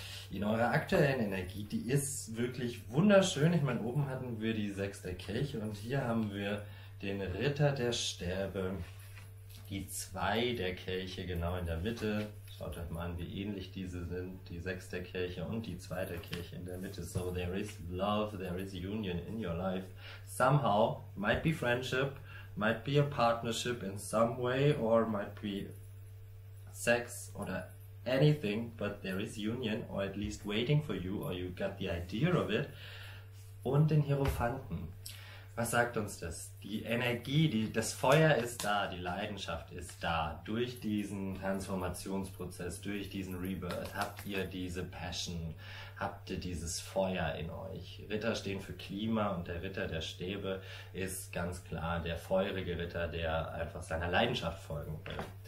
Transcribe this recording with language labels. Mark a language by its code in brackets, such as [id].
[de] In eurer aktuellen Energie, die ist wirklich wunderschön. Ich meine, oben hatten wir die Sechs der Kelche und hier haben wir den Ritter der Stäbe, die Zwei der Kelche genau in der Mitte. Schaut euch mal an, wie ähnlich diese sind, die Sechs der Kelche und die Zwei der Kelche in der Mitte. [en] So, there is love, there is union in your life. Somehow, might be friendship, might be a partnership in some way, or might be sex oder anything, but there is union, or at least waiting for you, or you got the idea of it. [de] Und den Hierophanten. Was sagt uns das? Die Energie, das Feuer ist da, die Leidenschaft ist da. Durch diesen Transformationsprozess, durch diesen Rebirth, habt ihr diese Passion, habt ihr dieses Feuer in euch. Ritter stehen für Klima und der Ritter der Stäbe ist ganz klar der feurige Ritter, der einfach seiner Leidenschaft folgen will.